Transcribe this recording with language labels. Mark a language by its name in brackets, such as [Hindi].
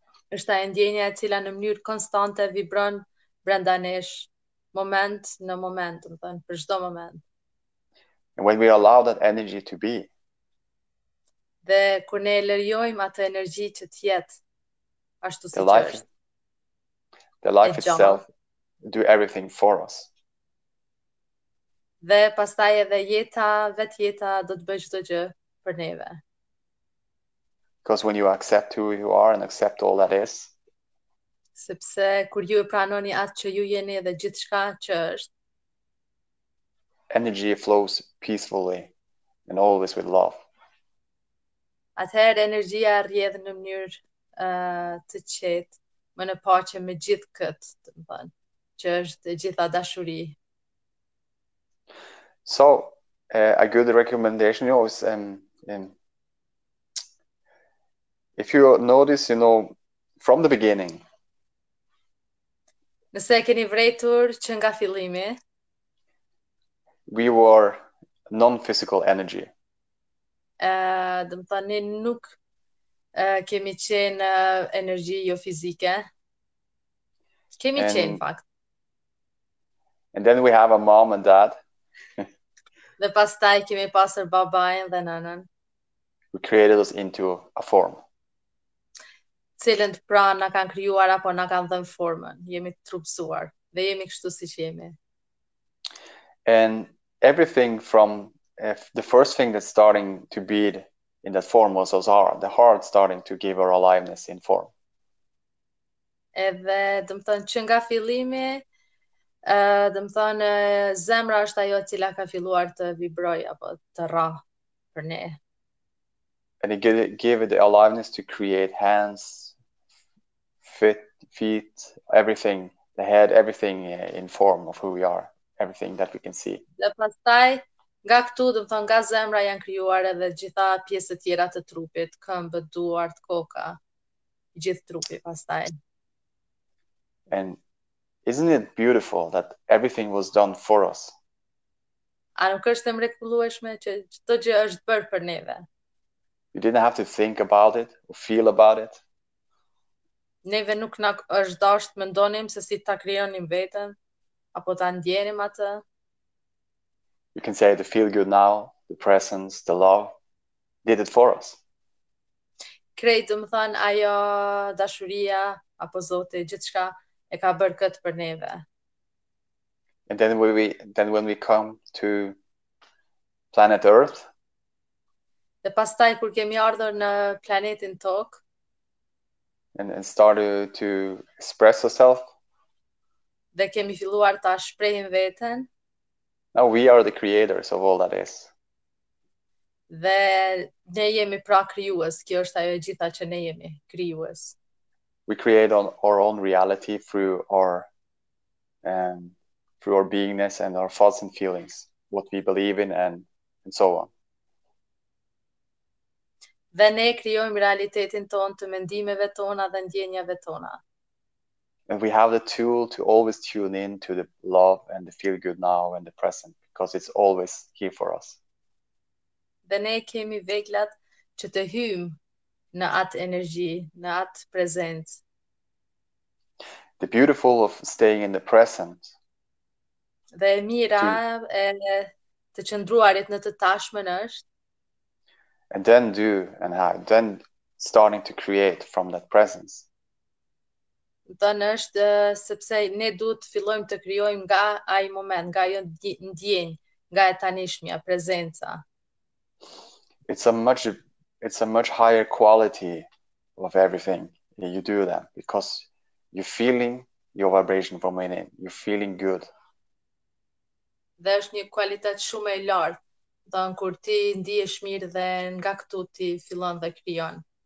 [Albanian] Është ajo ndjenja e cila në mënyrë konstante vibron brenda nesh, moment në moment, do të thënë për çdo moment. [English] And when we allow that energy to be, [Albanian] dhe kur ne lejojmë atë energji që të jetë ashtu siç është. [English] The life itself do everything for us. [Albanian] Dhe pastaj edhe jeta, vetë jeta do të bëj çdo gjë për neve. [English] Because when you accept who you are and accept all that is. [Albanian] Sepse kur ju e pranoni atë që ju jeni dhe gjithçka që është. [English] Energy flows peacefully and always with love. [Albanian] Atëherë energjia rrjedh në mënyrë të qetë, më në paqe me gjithë këtë, të më thënë, që është e gjitha dashuri. [English] So, a good recommendation is if you notice, you know, from the beginning. [Albanian] Nëse keni vrejtur që nga fillimi. [English] We were non-physical energy. [Albanian] Dhe më thani, nuk kemi qenë energji jo fizike. Kemi qenë, fakt. [English] And then we have a mom and dad. [Albanian] Dhe pastaj kemi pasur babain dhe nënën. [English] We created us into a form. [Albanian] Cilën pra na kanë krijuar apo na kanë dhënë formën. Jemi trupësuar dhe jemi kështu siç jemi. [English] And everything from the first thing that's starting to beat in that form was our heart. The heart starting to give our aliveness in form. [Albanian] Edhe, dhe më thënë, që nga fillimi, dhe më thënë, zemra është ajo cila ka filluar të vibroj apo të rrah entrepreneur. [English] And it gave it the aliveness to create hands, feet, everything, the head, everything in form of who we are, everything that we can see. [Albanian] Dhe pastaj, nga këtu, dhe më thonë, nga zemra janë krijuar edhe gjitha pjesët tjera të trupit, këmbët, duart, koka, gjithë trupi pastaj. [English] And isn't it beautiful that everything was done for us? [Albanian] A nuk është e mrekullueshme që çdo gjë është bërë për neve? [English] You didn't have to think about it or feel about it. [Albanian] Neve nuk na është dashur të mendonim se si ta krijonim veten apo ta ndjenim atë. [English] You can say the feel good now, the presence, the love did it for us. [Albanian] Krejt, do më thënë, ajo dashuria, apo zote, gjithçka e ka bërë këtë për neve. [English] And then when we come to planet Earth, [Albanian] Dhe pastaj, kur kemi ardhur në planetin tokë, [English] and start to express yourself. [Albanian] dhe kemi filluar ta shprehim veten, [English] Now we are the creators of all that is. [Albanian] dhe ne jemi pra krijues, kjo është ajo e gjitha që ne jemi, krijues. [English] We create on our own reality through our beingness and our thoughts and feelings, what we believe in and so on. [Albanian] Dhe ne krijojmë realitetin tonë të mendimeve tona dhe ndjenjave tona. [English] And we have the tool to always tune in to the love and the feel good now and the present because it's always here for us. [Albanian] Dhe ne kemi veglat që të hymë në atë energji, në atë prezencë. [English] The beautiful of staying in the present [Albanian] Dhe e to mira e të qëndruarit në të tashmen është [English] and then do and have then starting to create from that presence. [Albanian] tonë është sepse ne duhet të fillojmë të krijojmë nga ai moment, nga ajo ndjenjë, nga e tanishmja, prezenca. [English] It's a much higher quality of everything you do that because you're feeling your vibration from within. You're feeling good. [Albanian] Dhe është një kualitet shumë e lartë, donë kur ti ndihesh mirë dhe nga këtu ti fillon dhe krijon.